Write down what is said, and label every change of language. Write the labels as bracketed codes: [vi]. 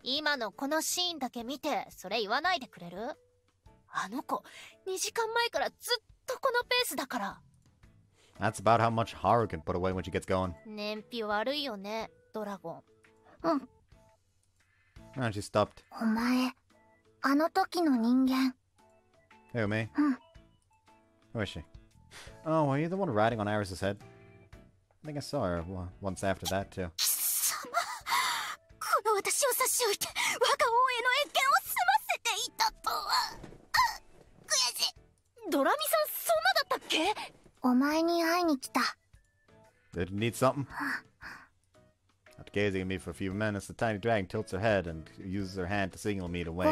[ja] 今のこのシーンだけ見て、それ言わないでくれる？あの子、2時間前からずっとこのペースだから。 [en] That's about how much Haru can put away when she gets going. [ja] 燃費悪いよね、ドラゴン。 [en] And she stopped. [ja] お前、あの時の人間。 [en] Hey, me. Where is she? Oh, are you the one riding on Iris's head? I think I saw her once after that, too. [ja] この私を差し置いて、我が王への謁見を済ませていたとは。悔しい。ドラミさん、そんなだったっけ？お前に会いに来た。 [en] Did you need something? After gazing at me for a few minutes, the tiny dragon tilts her head and uses her hand to signal me to wait.